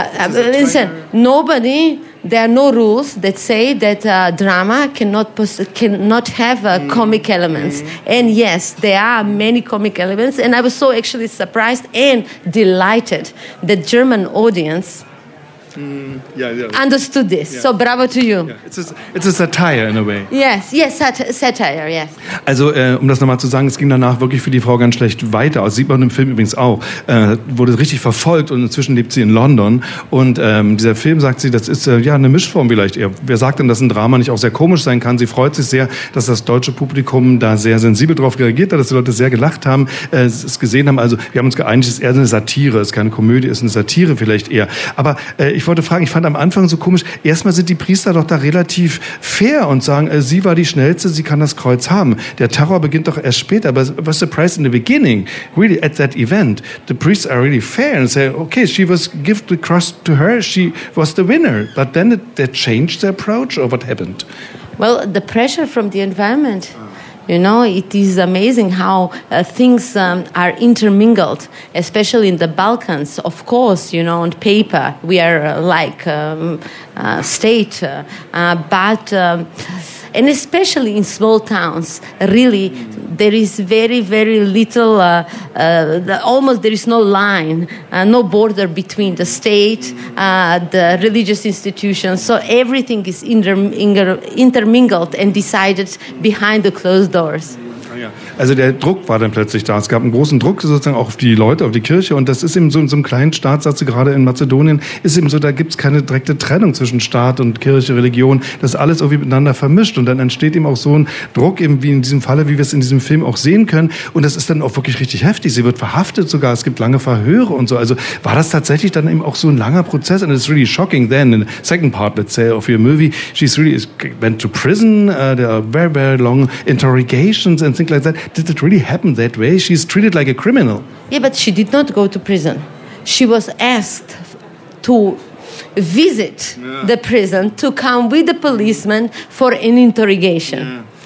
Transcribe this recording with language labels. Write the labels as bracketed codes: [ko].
[en] Listen, nobody, there are no rules that say that drama cannot have comic elements. And yes, there are many comic elements. And I was so actually surprised and delighted that German audience understood this. Yeah. So bravo to you. Yeah. It's a satire in a way. Yes, satire, yes. [de] Also um das nochmal zu sagen, es ging danach wirklich für die Frau ganz schlecht weiter. Das sieht man im Film übrigens auch. Wurde richtig verfolgt und inzwischen lebt sie in London. Und dieser Film, sagt sie, das ist eine Mischform vielleicht eher. Wer sagt denn, dass ein Drama nicht auch sehr komisch sein kann? Sie freut sich sehr, dass das deutsche Publikum da sehr sensibel drauf reagiert hat, dass die Leute sehr gelacht haben, es gesehen haben. Also wir haben uns geeinigt, es ist eher eine Satire, es ist keine Komödie, es ist eine Satire vielleicht eher. Aber ich wollte fragen, ich fand am Anfang so komisch, erstmal sind die Priester doch da relativ fair und sagen, sie war die Schnellste, sie kann das Kreuz haben. Der Terror beginnt doch erst später, [en] but was surprised in the beginning, really at that event, the priests are really fair and say, okay, she was gifted the cross to her, she was the winner. But then they changed their approach or what happened? Well, the pressure from the environment... You know, it is amazing how things are intermingled, especially in the Balkans. Of course, you know, on paper, we are like state. And especially in small towns, really, there is very, very little, almost there is no line, no border between the state, the religious institutions. So everything is intermingled and decided behind the closed doors. [de] Also der Druck war dann plötzlich da. Es gab einen großen Druck sozusagen auch auf die Leute, auf die Kirche. Und das ist eben so in so einem kleinen Staat, sagst du gerade in Mazedonien, ist eben so, da gibt es keine direkte Trennung zwischen Staat und Kirche, Religion. Das ist alles irgendwie miteinander vermischt. Und dann entsteht eben auch so ein Druck, eben wie in diesem Falle, wie wir es in diesem Film auch sehen können. Und das ist dann auch wirklich richtig heftig. Sie wird verhaftet sogar. Es gibt lange Verhöre und so. Also war das tatsächlich dann eben auch so ein langer Prozess? [en] And it's really shocking then, in the second part, let's say, of your movie, she's really went to prison. There are very, very long interrogations and things like that. Did it really happen that way? She's treated like a criminal. Yeah, but she did not go to prison. She was asked to visit the prison, to come with the policeman for an interrogation.